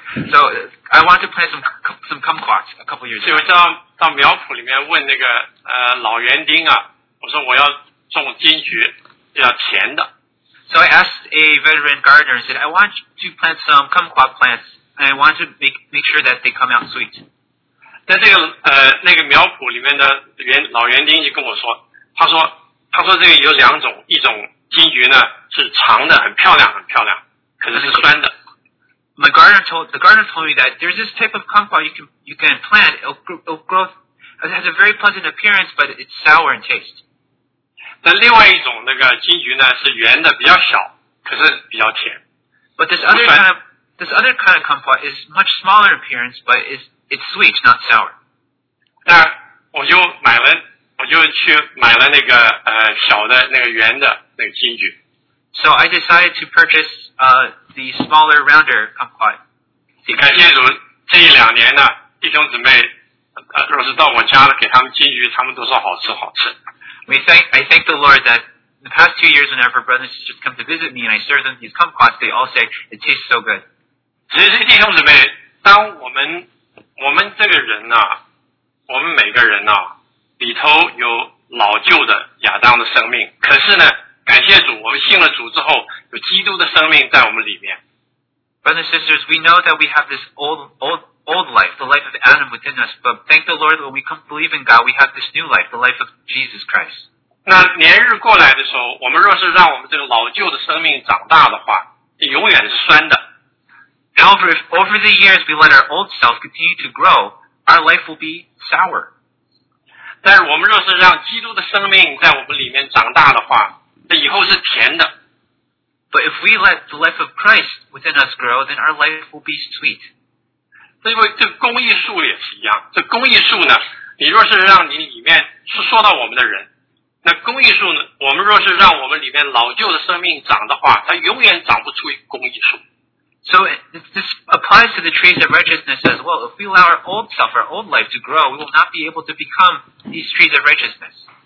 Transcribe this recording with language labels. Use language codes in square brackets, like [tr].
[en] So I wanted to plant some kumquats a couple years ago. [zh] 所以我到苗圃里面问那个老园丁啊，我说我要种金桔，要甜的。 [en] So I asked a veteran gardener and said, I want to plant some kumquat plants and I want to make sure that they come out sweet. [zh] 在这个苗圃里面的老园丁就跟我说，他说这个有两种，一种金桔呢是长的，很漂亮，可是酸的。 [en] The gardener told me that there's this type of kumquat you can plant, it'll grow, it has a very pleasant appearance, but it's sour in taste. [zh] 那另外一种那个金桔呢是圆的，比较小，可是比较甜。 [en] But this other kind of kumquat is much smaller appearance, but it's sweet, not sour. [zh] 那我就买了，我就去买了那个小的那个圆的那个金桔。 [en] So I decided to purchase the smaller rounder kumquat. [zh] 感谢主，这一两年呢，弟兄姊妹若是到我家了，给他们金桔，他们都说好吃好吃。 [en] I thank the Lord that the past 2 years whenever brothers just come to visit me and I serve them these kumquats, they all say it tastes so good. [zh] 其实弟兄姊妹，当我们这个人呢、啊，我们每个人呢、啊，里头有老旧的亚当的生命，可是呢，感谢主，我们信了主之后，有基督的生命在我们里面。 [en] Brothers and sisters, we know that we have this old life, the life of Adam within us, but thank the Lord when we come to believe in God, we have this new life, the life of Jesus Christ. [zh] 那年日过来的时候，我们若是让我们这个老旧的生命长大的话，永远是酸的。 [en] However, if over the years we let our old self continue to grow, our life will be sour. [zh] 但是我们若是让基督的生命在我们里面长大的话，那以后是甜的。 [en] But if we let the life of Christ within us grow, then our life will be sweet. [zh] 因为这公义树也是一样，这公义树呢，你若是让你里面是说到我们的人，那公义树呢，我们若是让我们里面老旧的生命长的话，它永远长不出一个公义树。 [en] So this applies to the trees of righteousness as well. If we allow our old self, our old life to grow, we will not be able to become these trees of righteousness.